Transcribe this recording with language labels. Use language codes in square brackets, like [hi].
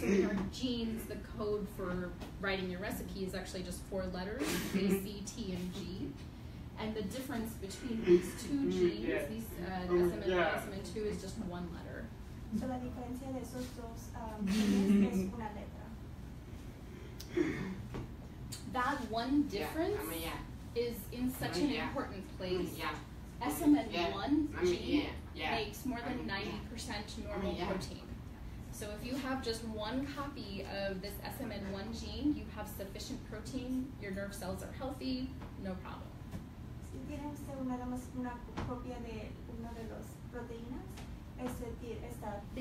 [en] So in our genes, the code for writing your recipe is actually just four letters, A, C, T, and G. And the difference between these two genes, SMN1 and SMN2, is just one letter. [es] So la diferencia de esos dos genes es una letra. [en] That one difference is in such an important place. SMN1 gene makes more than 90% normal protein. So if you have just one copy of this SMN1 gene, you have sufficient protein, your nerve cells are healthy, no problem. [es] Tiene usted una copia de una de las proteínas, es decir, está